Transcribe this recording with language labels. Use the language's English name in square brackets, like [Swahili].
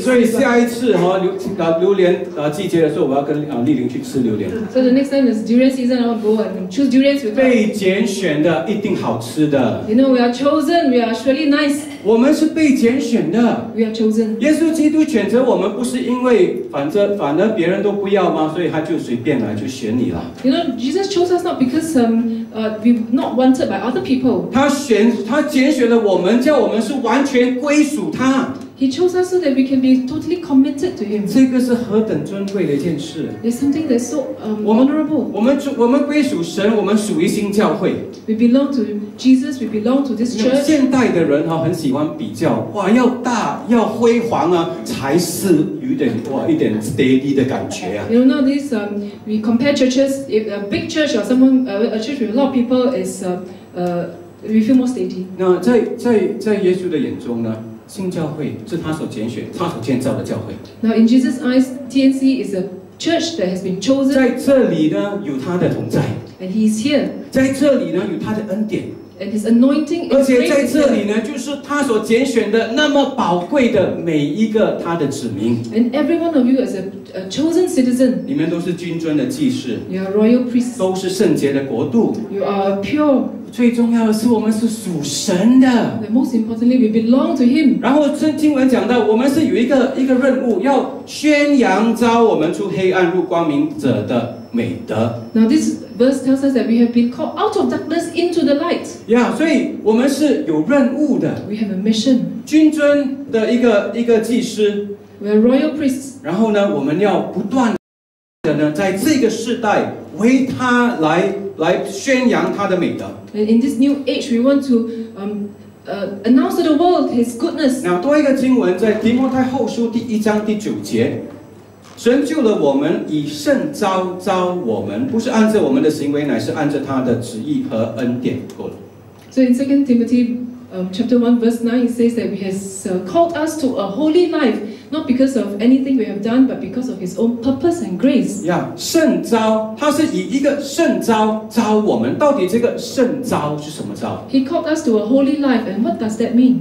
[Chinese] 所以下一次哈榴莲季节的时候，我要跟丽玲去吃榴莲。 [English] So the next time is durian season, I will go and choose durians with. [Chinese] 被拣选的一定好吃的。 [English] You know we are chosen. We are surely nice. [Chinese] 我们是被拣选的。 [English] We are chosen. [Chinese] 耶稣基督选择我们，不是因为反而别人都不要吗？所以他就随便来就选你了。 [English] You know Jesus chose us not because we were not wanted by other people. [Chinese] 他拣选了我们，叫我们是完全归属他。 [English] He chose us so that we can be totally committed to Him. [Chinese] 这个是何等尊贵的一件事。 [English] It's something that's so honorable. [Chinese] 我们归属神，我们属于新教会。 [English] We belong to Jesus. We belong to this church. [Chinese] 现代的人哈很喜欢比较，哇，要大要辉煌啊，才是有点哇一点 steady 的感觉啊。 [English] You know this, we compare churches. If a big church or someone, a church with a lot of people is, we feel more steady. [Chinese] 那在耶稣的眼中呢？新教会是他所拣选、他所建造的教会。 [English] Now in Jesus' eyes, TNC is a church that has been chosen. [Chinese] 在这里呢，有他的同在。 [English] And He is here. [Chinese] 在这里呢，有他的恩典。 [English] And His anointing. [Chinese] 而且在这里呢，就是他所拣选的那么宝贵的每一个他的子民。 [English] And every one of you is a chosen citizen. [Chinese] 你们都是君尊的祭司。 [English] You are royal priests. [Chinese] 都是圣洁的国度。 [English] You are pure. [Chinese] 最重要的是，我们是属神的。 [English] The most importantly, we belong to Him. [Chinese] 然后圣经文讲到，我们是有一个任务，要宣扬召我们出黑暗入光明者的美德。 [English] Now this verse tells us that we have been called out of darkness into the light. [Chinese] Yeah, 所以我们是有任务的。 [English] We have a mission. [Chinese] 君尊的一个祭司。 [English] We are royal priests. [Chinese] 然后呢，我们要不断的呢，在这个世代为他来宣扬他的美德。 [English] In this new age, we want to announce to the world His goodness. [Chinese] 那多一个经文在提摩太后书第一章第九节，神救了我们，以圣召召我们，不是按着我们的行为，乃是按着他的旨意和恩典。 [English] So in 2 Timothy chapter 1 verse 9, it says that He has called us to a holy life, not because of anything we have done, but because of His own purpose and grace. [Chinese] Yeah, 圣召，他是以一个圣召召我们。到底这个圣召是什么召？ [English] He called us to a holy life, and what does that mean?